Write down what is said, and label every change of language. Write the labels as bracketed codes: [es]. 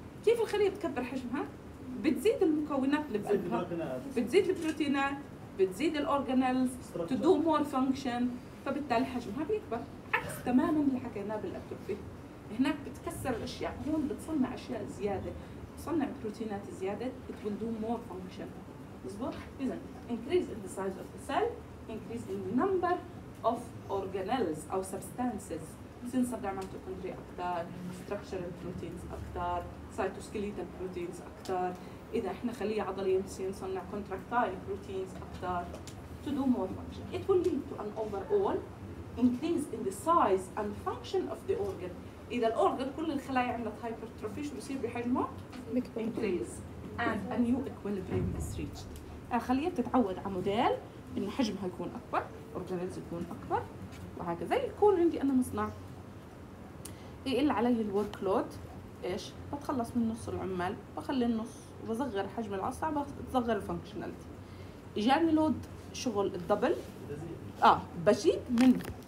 [ar] كيف الخليه بتكبر حجمها؟ بتزيد المكونات اللي بقلبها، بتزيد البروتينات، بتزيد الأورجانيلز [en] to do more function، [ar] فبالتالي حجمها بيكبر. عكس تماماً اللي حكيناه بالأتروفي، هناك بتكسر الأشياء، هون بتصنع أشياء زيادة، بتصنع بروتينات زيادة [en] it will do more function. [ar] مزبوط؟ إذن [en] increase in the size of the cell, increase in the number of organelles [ar] أو [en] substances، [ar] بصير نصدع ميتوكوندريا أكثر، [en] structural proteins [ar] أكثر، [en] cytoskeletal proteins [ar] أكثر، إذا إحنا خلية عضلية بصير نصنع [en] contractile proteins [ar] أكثر [en] to do more function. It will lead to an overall increase in the size and function of the organ. [ar] إذا الأورجن كل الخلايا عملت hypertrophy شو بصير بحجمه؟ [en] increase and a new equilibrium is reached. [ar] الخلية بتتعود على موديل إن حجمها يكون أكبر، organelles يكون أكبر وهكذا، يكون عندي أنا مصنع يقل علي الورك لود، إيش؟ بتخلص من نص العمال، بخلي النص بصغر حجم العصب بتصغر الفانكشناليتي. اجاني لود شغل الدبل، بجيب من